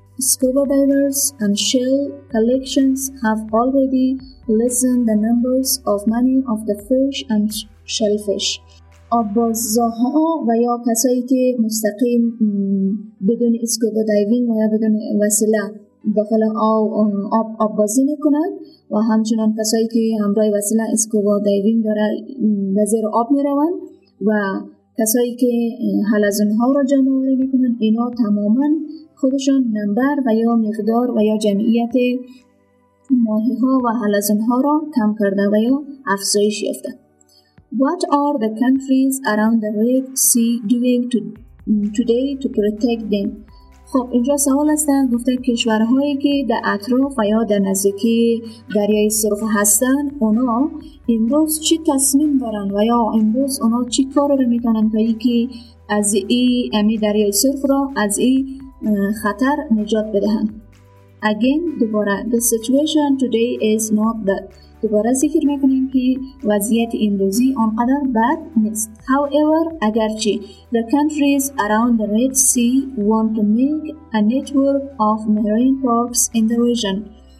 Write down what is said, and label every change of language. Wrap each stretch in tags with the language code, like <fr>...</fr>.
<en>Scuba divers and shell collections have already lessened the numbers of many of the fish and shellfish.</en> <fa>آبازه‌ها و یا کسایی که مستقیم بدون اسکوبا دایوینگ و یا بدون وسیله داخل آب آبازی میکنند و همچنان کسایی که همراه وسیله اسکوبا دایوینگ دارند زیر آب میروند و کسایی که حلزون‌ها را جمع‌آوری میکنند اینا تماماً خودشان نمبر و یا مقدار و یا جمعیت ماهی‌ها و حلزون‌ها را کم کرده و یا افزایش یافته.</fa> <en>What are the countries around the Red Sea doing today to protect them?</en> <fa>خب اینجا سوال است، گفته کشورهایی که در اطراف و یا در نزدیکی دریای سرخ هستند اونا امروز چی تصمیم دارن و یا امروز اونا چی کار رو میتونن تا ای که از این دریای سرخ را از این خطر نجات بدهن.</fa> <en>Again,</en> <fa>دوباره</fa> <en>the situation today is not that.</en> <fa>دوباره ذکر میکنیم که وضعیت امروزی آنقدر بد نیست.</fa> <en>However,</en> <fa>اگرچه</fa> <en>the countries around the Red Sea want to make a network of marine parks in the region.</en>